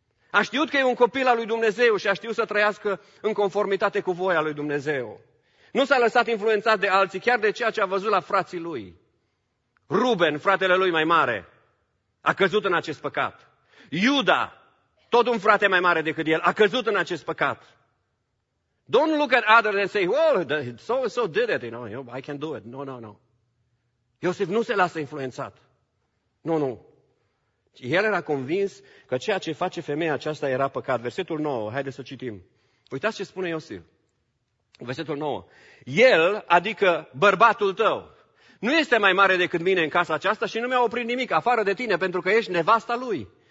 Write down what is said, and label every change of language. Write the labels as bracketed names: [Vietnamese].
[Romanian] A știut că e un copil al lui Dumnezeu și a știut să trăiască în conformitate cu voia lui Dumnezeu. Nu s-a lăsat influențat de alții, chiar de ceea ce a văzut la frații lui. Ruben, fratele lui mai mare, a căzut în acest păcat. Iuda, tot un frate mai mare decât el, a căzut în acest păcat. [English] Don't look at others and say, well, so-and-so did it, you know, I can do it. No, no, no. [Romanian] Iosif nu se lasă influențat. Nu, nu. El era convins că ceea ce face femeia aceasta era păcat. Versetul 9, haideți să citim. Uitați ce spune Iosif. Versetul 9. El, adică bărbatul tău, nu este mai mare decât mine în casa aceasta și nu mi-a oprit nimic afară de tine, pentru că ești nevasta lui.